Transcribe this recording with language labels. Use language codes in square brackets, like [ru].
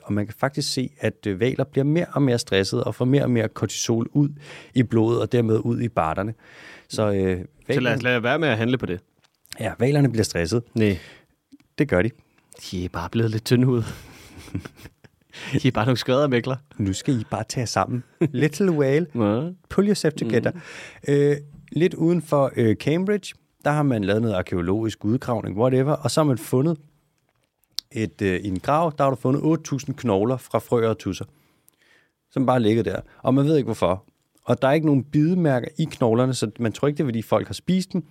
[da] Og man kan faktisk se, at hvaler bliver mere og mere stresset og får mere og mere kortisol ud i blodet og dermed ud i barterne. Lad os være med at handle på det. Ja, hvalerne bliver stresset. Nej. Det gør de. De er bare blevet lidt tynde ud. De er bare nogle skrædder mækler. Nu skal I bare tage sammen. [en] Little whale, pull yourself together. [da] Lidt uden for Cambridge, der har man lavet noget arkeologisk udgravning, whatever, og så har man fundet i en grav, der har du fundet 8.000 knogler fra frøer og tusser, som bare ligger der. Og man ved ikke, hvorfor. Og der er ikke nogen bidemærker i knoglerne, så man tror ikke, det er, fordi folk har spist dem.